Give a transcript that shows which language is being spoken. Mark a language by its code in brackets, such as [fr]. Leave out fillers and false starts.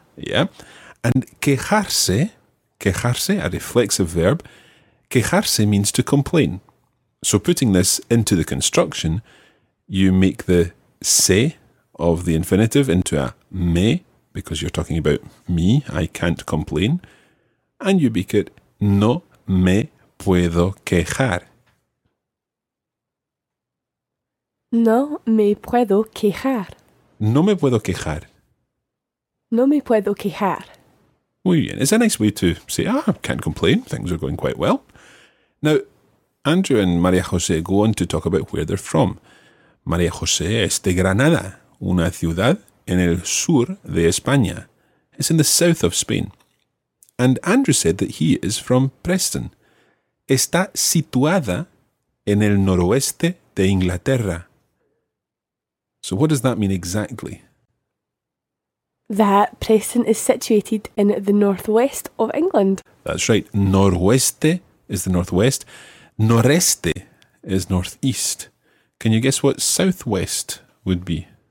[en] Yeah. And quejarse... Quejarse, a reflexive verb. Quejarse means to complain. So putting this into the construction, you make the se of the infinitive into a me, because you're talking about me, I can't complain. And you make it [es] no me puedo quejar. No me puedo quejar. No me puedo quejar. No me puedo quejar. Muy bien. [en] It's a nice way to say, can't complain. Things are going quite well. Now, Andrew and María José go on to talk about where they're from. [es] María José es de Granada, una ciudad en el sur de España. [en] It's in the south of Spain. And Andrew said that he is from Preston. [es] Está situada en el noroeste de Inglaterra. [en] So what does that mean exactly? That Preston is situated in the northwest of England. That's right. Noroeste is the northwest. Noreste is northeast. Can you guess what southwest would be?